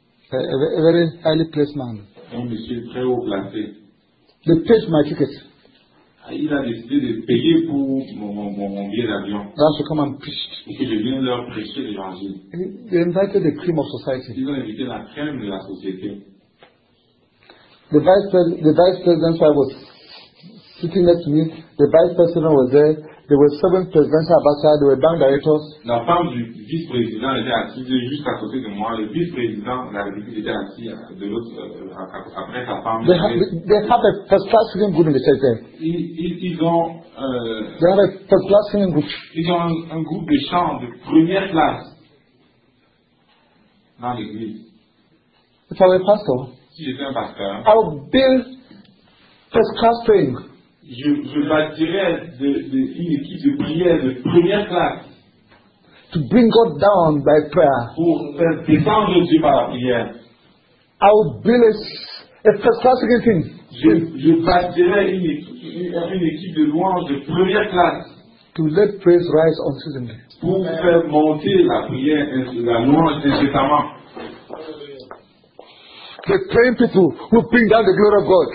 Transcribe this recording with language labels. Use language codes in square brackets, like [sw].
[en] A very highly placed man. [fr] Un monsieur très haut placé. [en] They paid my ticket. [fr] Il a décidé de payer pour mon billet d'avion. [en] That's to come and preach. [fr] Et que je vienne leur prêcher l'évangile. [en] They invited the cream of society. [fr] Ils ont invité la crème de la société. [en] The vice president was sitting next to me. The vice president was there. There were seven presidential ambassadors. There were bank directors. [fr] La femme du vice président était assise juste à côté de moi. Le vice président de la République était assis de l'autre après sa femme. [en] They have a first class singing group in the church there. [fr] Ils ont [en] have a first class singing group. [fr] Ils ont un groupe de chant de première classe dans l'église. [en] For a pastor. [fr] Si j'étais un pasteur, [en] I'll build first class training. [fr] Je bâtirai une équipe de prière de première classe. [en] To bring God down by prayer. [fr] Pour faire descendre Dieu par la prière. [en] I'll build a first class thing. [fr] Je bâtirai une équipe de louange de première classe. [en] To let praise rise unceasingly. [fr] Pour faire monter la prière et la louange incessamment. [en] The praying people will bring down the glory of God.